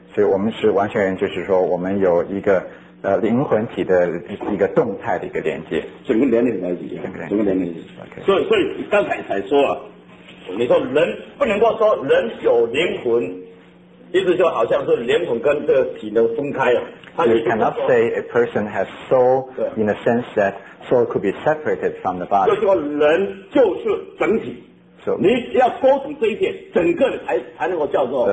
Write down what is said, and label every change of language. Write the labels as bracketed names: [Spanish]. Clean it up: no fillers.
[Chinese] 所以我们是完全人，就是说我们有一个灵魂体的一个动态的一个连接，整个连接在一起，整个连接在一起。所以刚才才说啊，你说人不能够说人有灵魂。意思就好像是灵魂跟这个体能分开了。 [English] You cannot say a person has soul in the sense that soul could be separated from the body. [Chinese] 就说人就是整体。 So 你要说出这一点，整个才能够叫做